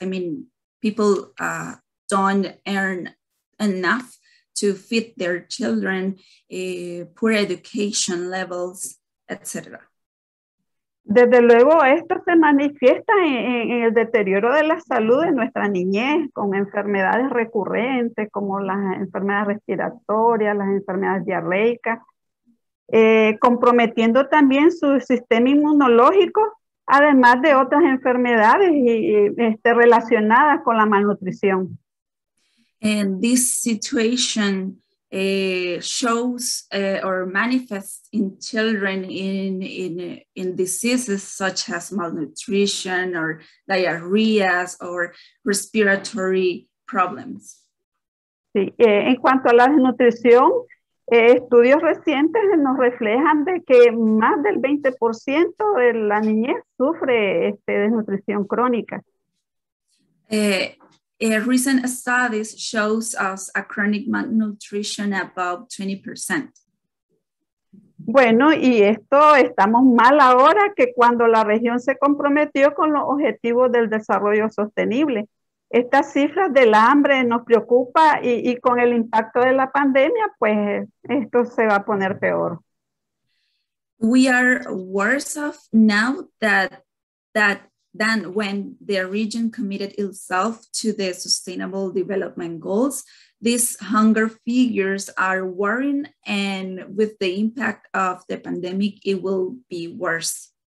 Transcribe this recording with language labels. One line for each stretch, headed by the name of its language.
English: I mean, people don't earn enough to feed their children, poor education levels, etc.
Spanish: Desde luego, esto se manifiesta en el deterioro de la salud de nuestra niñez, con enfermedades recurrentes como las enfermedades respiratorias, las enfermedades diarreicas, comprometiendo también su sistema inmunológico, además de otras enfermedades relacionadas con la malnutrición.
English: And this situation shows or manifests in children in diseases such as malnutrition or diarrhea or respiratory problems.
Spanish: Sí, en cuanto a la desnutrición, estudios recientes nos reflejan de que más del 20% de la niñez sufre desnutrición crónica.
English: Recent studies shows us a chronic malnutrition above 20%.
Spanish: Bueno, y esto estamos mal ahora que cuando la región se comprometió con los objetivos del desarrollo sostenible. Estas cifras del hambre nos preocupa y con el impacto de la pandemia, pues esto se va a poner peor.
English: We are worse off now than when the region committed itself to the Sustainable Development Goals. These hunger figures are worrying, and with the impact of the pandemic, it will be worse.